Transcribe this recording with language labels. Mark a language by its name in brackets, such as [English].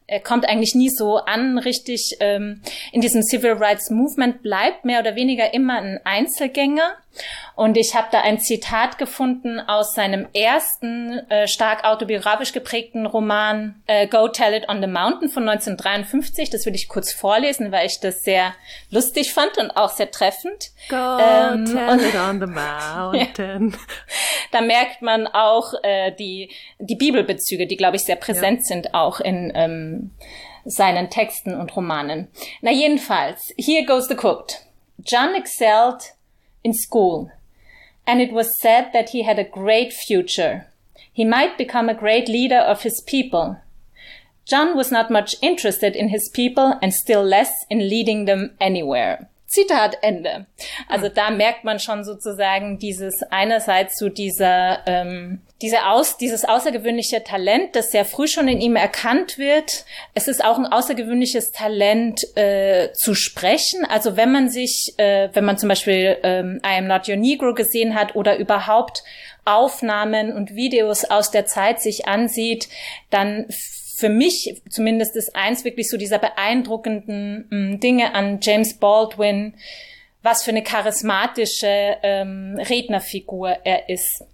[German] Er kommt eigentlich nie so an, richtig. In diesem Civil Rights Movement bleibt mehr oder weniger immer ein Einzelgänger. Und ich habe da ein Zitat gefunden aus seinem ersten stark autobiografisch geprägten Roman Go Tell It on the Mountain von 1953. Das will ich kurz vorlesen, weil ich das sehr lustig fand und auch sehr treffend. Go Tell It on the Mountain. Ja. Da merkt man auch die Bibelbezüge, die, glaube ich, sehr präsent sind auch in seinen Texten und Romanen. Na jedenfalls, [English] here goes the quote. John excelled in school, and it was said that he had a great future. He might become a great leader of his people. John was not much interested in his people and still less in leading them anywhere. [German] Zitat Ende. Also da merkt man schon sozusagen dieses einerseits zu dieser dieses außergewöhnliche Talent, das sehr früh schon in ihm erkannt wird. Es ist auch ein außergewöhnliches Talent zu sprechen. Also wenn man sich, wenn man zum Beispiel I Am Not Your Negro gesehen hat oder überhaupt Aufnahmen und Videos aus der Zeit sich ansieht, dann für mich zumindest ist eins wirklich so dieser beeindruckenden Dinge an James Baldwin, was für eine charismatische Rednerfigur er ist.